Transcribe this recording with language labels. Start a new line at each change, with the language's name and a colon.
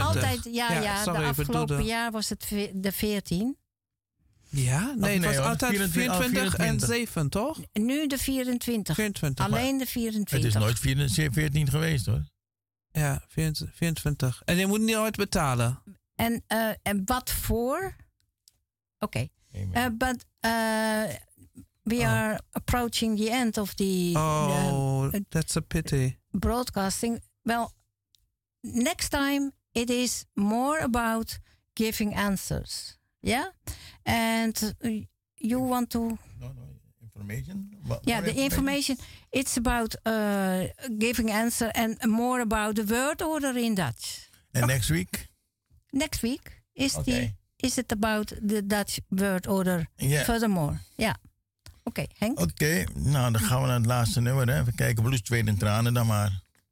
Dutch: Altijd, sorry, de afgelopen jaar was het de 14. Ja? Nee, het was altijd 24 en 7, toch? Nu de 24. 24. Alleen de 24. Het is nooit 14 geweest, hoor. Ja, 24. En je moet niet ooit betalen. En wat voor? Oké. Okay.
English: But we are approaching the end of the... That's a pity. Broadcasting. Well, next time it is more about giving answers. Yeah? And you want to... Information? Yeah, the information, it's about giving answer and more about the word order in Dutch. And next week? Next week is okay. Is it about the Dutch word order furthermore? Yeah. Okay, Henk.
Dutch: Okay, nou dan gaan we naar het laatste nummer. Hè. Even kijken, bloed, zweet en tranen dan maar.